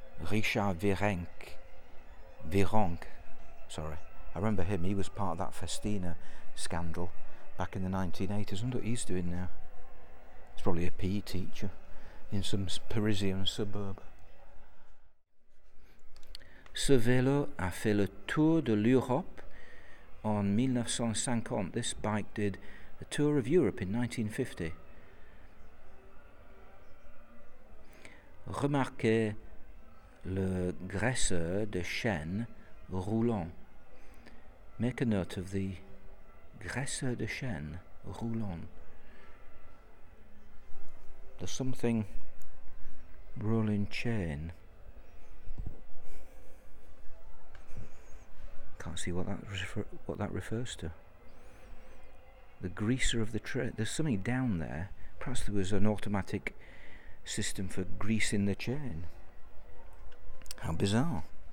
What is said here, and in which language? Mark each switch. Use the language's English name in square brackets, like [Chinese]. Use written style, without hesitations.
[English] Richard Virenque, sorry. I remember him, he was part of that Festina scandal back in the 1980s. I wonder what he's doing now. He's probably a PE teacher in some Parisian suburb. [French] Ce vélo a fait le tour de l'Europe en 1950. [English] This bike did a tour of Europe in 1950. [French] Remarquez le graisseur de chêne roulant. [English] Make a note of the [French] graisseur de chêne roulant. [English] There's something rolling chain. Can't see what that refers to. The greaser of the train. There's something down there. Perhaps there was an automatic system for greasing the chain. How bizarre.